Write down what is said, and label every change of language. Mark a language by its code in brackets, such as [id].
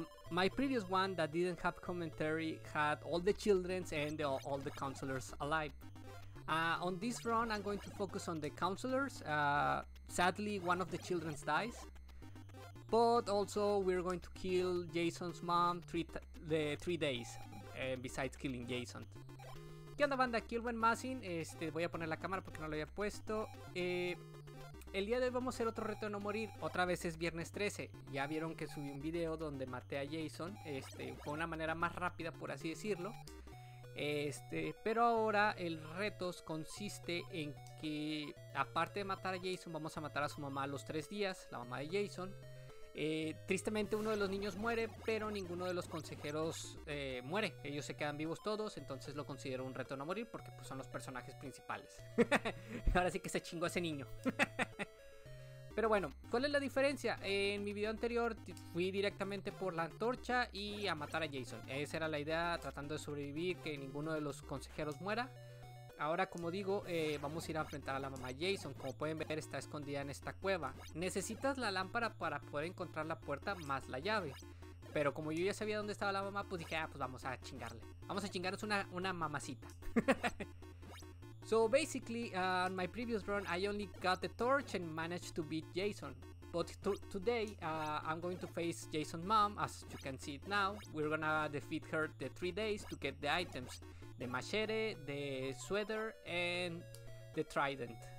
[en] My previous one that didn't have commentary had all the children and all the counselors alive. On this run I'm going to focus on the counselors. Sadly one of the children dies, but also we're going to kill Jason's mom the three days, besides killing Jason. [es] ¿Qué onda banda? Aquí el buen Massin, voy a poner la cámara porque no lo había puesto. El día de hoy vamos a hacer otro reto de no morir, otra vez es viernes 13. Ya vieron que subí un video donde maté a Jason, fue una manera más rápida por así decirlo. Pero ahora el reto consiste en que aparte de matar a Jason, vamos a matar a su mamá a los 3 días, la mamá de Jason. Tristemente uno de los niños muere, pero ninguno de los consejeros muere. Ellos se quedan vivos todos, entonces lo considero un reto no morir porque pues, son los personajes principales. Ahora sí que se chingó ese niño. Pero bueno, ¿cuál es la diferencia? En mi video anterior fui directamente por la antorcha y a matar a Jason. Esa era la idea, tratando de sobrevivir, que ninguno de los consejeros muera. Ahora, como digo, vamos a ir a enfrentar a la mamá Jason. Como pueden ver, está escondida en esta cueva. Necesitas la lámpara para poder encontrar la puerta más la llave. Pero como yo ya sabía dónde estaba la mamá, pues dije, pues vamos a chingarle. Vamos a chingarnos una mamacita. [en] So, basically, on my previous run, I only got the torch and managed to beat Jason. But today, I'm going to face Jason's mom, as you can see it now. We're gonna defeat her the 3 days to get the items. The machete, the sweater, and the trident.